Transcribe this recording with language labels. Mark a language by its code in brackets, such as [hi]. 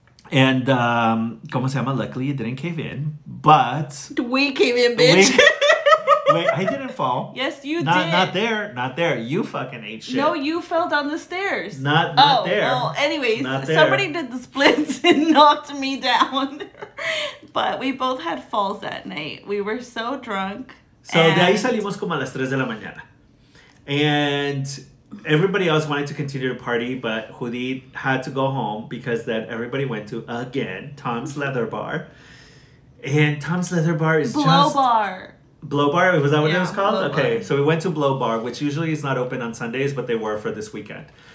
[en] And, [es] como se llama, [en] luckily it didn't cave in, but... We came in, bitch. Wait, I didn't fall. Yes, you not, did. Not there. You fucking ate shit. No, you fell down the stairs. Not there. Well, anyways, not there. Somebody did the splits and knocked me down. But we both had falls that night. We were so drunk. [es] So, de ahí salimos como a las 3 de la mañana. [en] And... Everybody else wanted to continue to party, but Judith had to go home because then everybody went to, again, Tom's Leather Bar. And Tom's Leather Bar is Blow just... Blow Bar. Blow Bar? Was that what it was called? Blow okay. Bar. So we went to Blow Bar, which usually is not open on Sundays, but they were for this weekend.